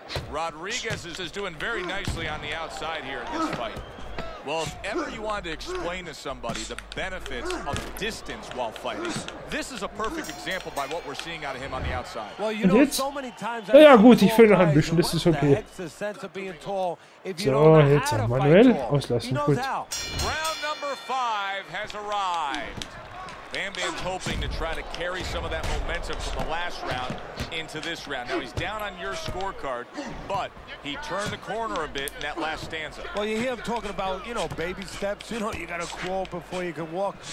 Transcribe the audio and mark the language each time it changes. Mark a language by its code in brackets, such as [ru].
[en] Rodriguez is doing very nicely on the outside here in this fight. Well, if ever you wanted to explain to somebody the benefits of distance while fighting, this is a perfect example by what we're seeing out of him on the outside. Well, you know, so many times... [de] Na ja, gut, ich finde ein bisschen, das ist okay. So, jetzt Manuel auslassen, gut. [en] Round number 5 has arrived. Bam Bam's hoping to try to carry some of that momentum from the last round into this round. Now he's down on your scorecard, but he turned the corner a bit in that last stanza. Well, you hear him talking about, you know, baby steps. You know, you gotta crawl before you can walk.